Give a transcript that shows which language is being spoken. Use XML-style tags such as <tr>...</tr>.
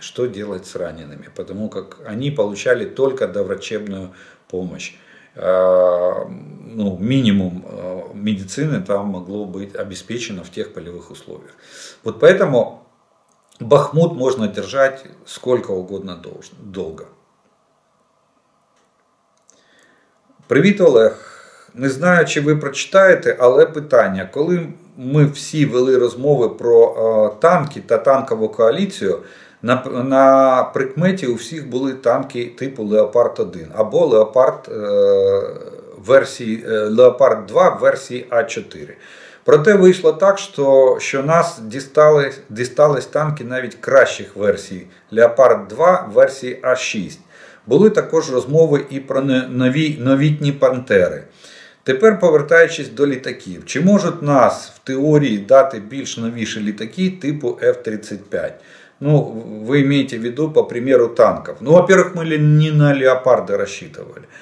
<ru>Что делать с ранеными? Потому как они получали только доврачебную помощь. Ну, минимум медицины там могло быть обеспечено в тех полевых условиях. Вот поэтому Бахмут можно держать сколько угодно долго.</ru> <uk>Привіт, Олег. Не знаю, чи ви прочитаєте, але питання. Коли ми всі вели розмови про танки та танкову коаліцію, на прикметі у всіх були танки типу «Леопард-1» або «Леопард», версії, «Леопард-2» версії А4. Проте вийшло так, що нас дістались танки навіть кращих версій «Леопард-2» версії А6. Були також розмови і про новітні «Пантери». Тепер, повертаючись до літаків, чи можуть нас в теорії дати більш новіші літаки типу F-35? Ну, ви маєте в виду по приміру танків.</uk> <ru>Ну, во-первых, ми не на леопарди рассчитывали.</ru>